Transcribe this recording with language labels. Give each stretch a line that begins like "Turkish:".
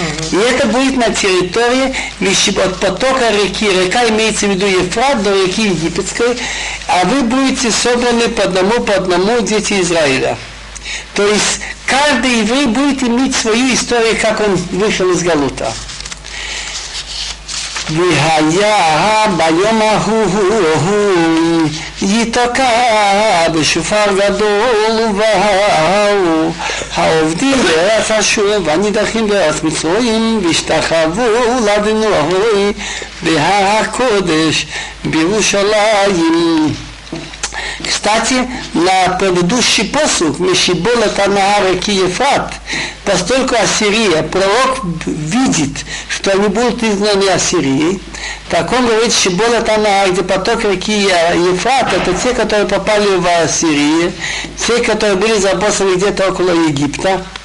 Russian: И это будет на территории от потока реки. Река имеется в виду Ефрат до реки Египетской, а вы будете собраны по одному дети Израиля. То есть каждый еврей будет иметь свою историю, как он вышел из Галута.
Hebrew: ויהיה ביום ההוא יתקע בשופר גדול ובאו העובדים בארץ אשור והנידחים בארץ מצרים והשתחוו לאדוני בהר הקודש בירושלים.
Russian: Кстати, на предыдущий посуг «Мешиболет анаа реки Ефрат», поскольку Ассирия, пророк видит, что они будут изгнаны Ассирией, так он говорит, что «Мешиболет анаа», где поток реки Ефрат, это те, которые попали в Ассирию, те, которые были забросаны где-то около Египта.